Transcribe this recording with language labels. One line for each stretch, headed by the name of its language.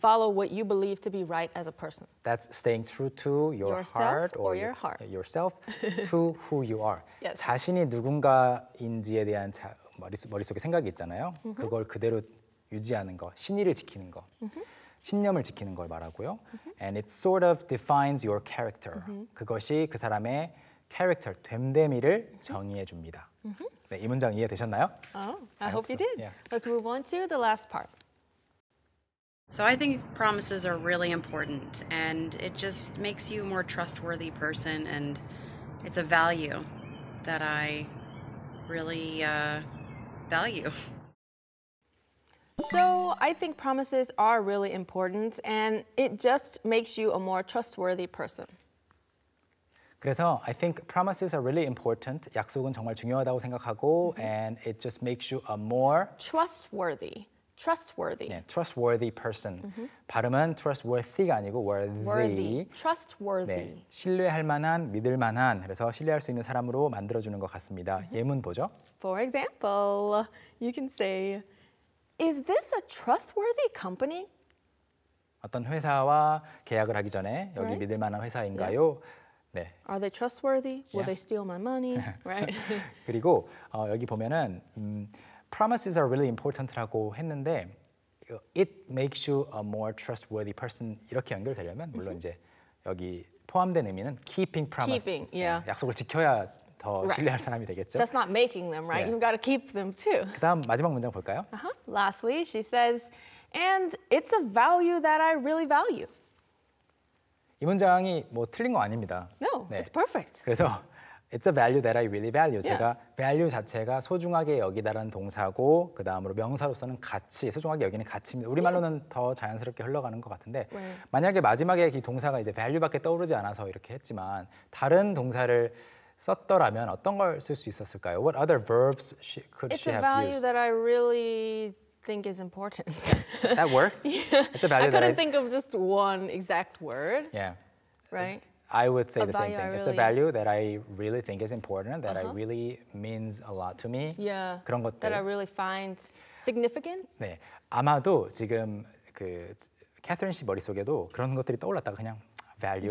English: Follow what you believe to be right as a person. That's staying true to your heart or your heart. Yourself to who you are. Yes.
Korean: 자신이 누군가인지에 대한 머릿속에 생각이 있잖아요. Mm-hmm. 그걸 그대로 유지하는 거, 신의를 지키는 거. Mm-hmm. 신념을 지키는 걸 말하고요. Mm-hmm.
English: And it sort of defines your character. Mm-hmm.
Korean: 그것이 그 사람의 character, 됨됨이를 mm-hmm. 정의해 줍니다. Mm-hmm. 네, 이 문장 이해 되셨나요?
English: Oh, I hope you did. Yeah. Let's move on to the last part. So I think promises are really important and it just makes you a more trustworthy person and it's a value that I really value. So I think promises are really important and it just makes you a more trustworthy person. 그래서 I think promises are really important.
Korean: 약속은 정말 중요하다고 생각하고 mm-hmm.
English: and it just makes you a more trustworthy. Trustworthy. 네, trustworthy person. Mm-hmm.
Korean: 발음은 trustworthy가 아니고 worthy.
English: Trustworthy.
Korean: 네, 신뢰할 만한, 믿을 만한. 그래서 신뢰할 수 있는 사람으로 만들어 주는 것 같습니다. Mm-hmm. 예문 보죠.
English: For example, you can say Is this a trustworthy company?
Korean: 어떤 회사와 계약을 하기 전에 여기
English: right?
Korean: 믿을 만한 회사인가요?
English: Yeah.
Korean: 네.
English: Are they trustworthy? Will yeah. they steal my money? Right.
Korean: 그리고 여기 보면은
English: promises are really important
Korean: 라고 했는데
English: it makes you a more trustworthy person
Korean: 이렇게 연결되려면 물론 이제 여기 포함된 의미는
English: keeping promises. Keeping, yeah.
Korean: 약속을 지켜야 더 right. 신뢰할 사람이 되겠죠.
English: Just not making them, right? Yeah. You've got to keep them too.
Korean: 그다음 마지막 문장 볼까요? Uh-huh.
English: Lastly, she says, and it's a value that I really value.
Korean: 이 문장이 뭐 틀린 거 아닙니다.
English: No, 네. it's perfect. 그래서 it's a value that I really value. Yeah.
Korean: 제가 value 자체가 소중하게 여기다라는 동사고 그 다음으로 명사로서는 가치, 소중하게 여기는 가치입니다. 우리말로는 yeah. 더 자연스럽게 흘러가는 것 같은데
English: right.
Korean: 만약에 마지막에 이 동사가 이제 value밖에 떠오르지 않아서 이렇게 했지만 다른 동사를 썼더라면 어떤 걸 쓸 수 있었을까요?
English: What other verbs she, could it's she have used? It's a value that I really think is important. That works? Yeah. It's a value I couldn't think of just one exact word. Yeah. Right? I would say the same thing. Really... It's a value that I really think is important, that uh-huh. I really means a lot to me. Yeah.
Korean: 그런 것들.
English: That I really find significant.
Korean: 네. 아마도 지금 그 캐서린 씨 머릿속에도 그런 것들이 떠올랐다가 그냥 value,